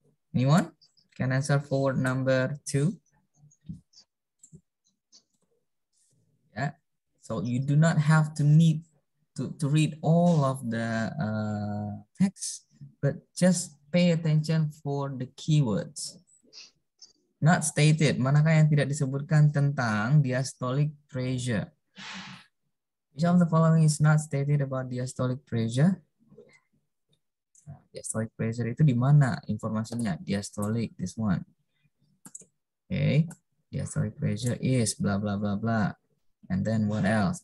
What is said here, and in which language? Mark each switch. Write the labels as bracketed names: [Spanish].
[English] Anyone can answer for number two? Yeah. So you do not have to need to read all of the text, but just pay attention for the keywords. Not stated. [Indonesian] Manakah yang tidak disebutkan tentang diastolic pressure? [English] Which of the following is not stated about diastolic pressure? [Indonesian] Diastolic pressure itu di mana informasinya? Diastolic, [English] this one. [Indonesian] Okay. [English] Diastolic pressure is bla bla bla bla. And then what else?